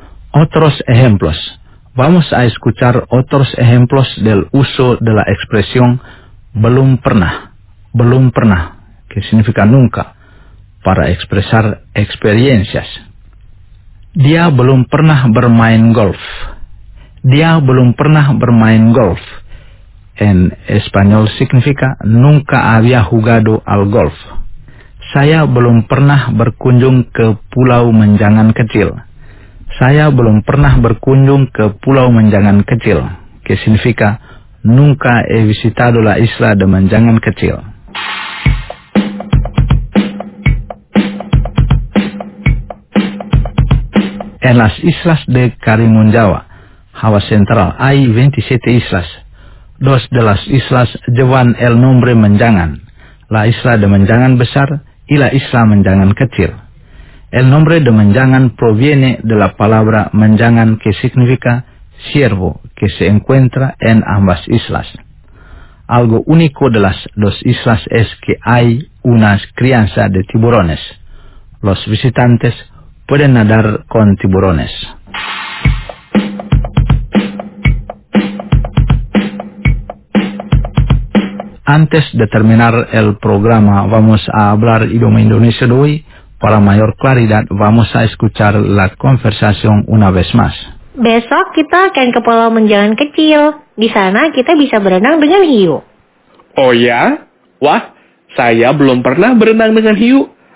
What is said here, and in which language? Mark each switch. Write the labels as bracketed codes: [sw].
[es] Otros ejemplos. Vamos a escuchar otros ejemplos del uso de la expresión [id] belum pernah, belum pernah, [es] que significa nunca, para expresar experiencias. [id] Dia belum pernah bermain golf. Dia belum pernah bermain golf. [es] En español significa nunca había jugado al golf. [id] Saya belum pernah berkunjung ke Pulau Menjangan Kecil. Saya belum pernah berkunjung ke Pulau Menjangan Kecil. [es] Que significa nunca he visitado la isla de Menjangan Kecil. En las islas de Karimun Jawa, Hawa Central ai 27 islas. Dos de las islas jevan el nombre menjangan. La isla de menjangan besar, y la isla menjangan kecil. El nombre de menjangan proviene de la palabra menjangan que significa siervo, que se encuentra en ambas islas. Algo único de las dos islas es que hay unas crianza de tiburones. Los visitantes pueden nadar con tiburones. Antes de terminar el programa, vamos a hablar idioma indonesio de hoy. Para mayor claridad, vamos a escuchar la conversación una vez más. [id] Besok kita akan ke Pulau Menjangan Kecil. Di sana kita bisa berenang dengan hiu. Oh ya? Wah, saya belum pernah berenang dengan hiu.